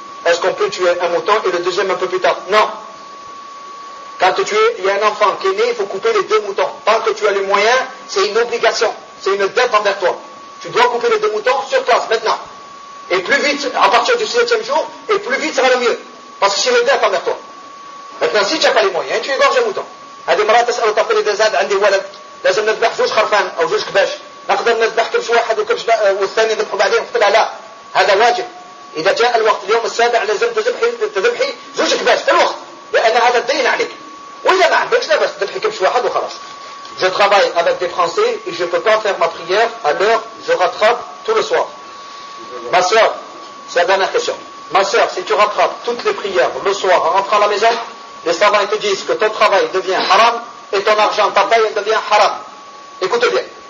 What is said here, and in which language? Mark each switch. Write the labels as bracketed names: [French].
[French] Est-ce qu'on peut tuer un mouton et le deuxième un peu plus tard? Non. Quand tu es, il y a un enfant qui est né, il faut couper les deux moutons. Tant que tu as les moyens, c'est une obligation. C'est une dette envers toi. Tu dois couper les deux moutons sur place, maintenant. Et plus vite, à partir du 7e jour, et plus vite ça va le mieux. Parce que c'est une dette envers toi. Maintenant, si tu n'as pas les moyens, tu égorges un mouton. [Arabic] هذه مرات تسأل تقول إذا زاد عندي ولد لازم نذبح زوج خرفان أو زوج كباش، نقدر نذبح كبش واحد وكبش والثاني نذبحه بعدين؟ قلت لها لا، هذا واجب. إذا جاء الوقت اليوم السابع لازم تذبحي زوج كباش في الوقت، لأن هذا دين عليك. وإذا ما عندكش لا بس تذبحي كبش واحد وخلاص. [French] Je travaille avec des Français et je ne peux pas faire ma prière à l'heure, je rattrape tout le soir. Ma soeur, c'est la dernière question. Ma soeur, si tu rattrapes toutes les prières le soir en rentrant à la maison, les savants te disent que ton travail devient haram et ton argent, ta paye devient haram. Écoute bien.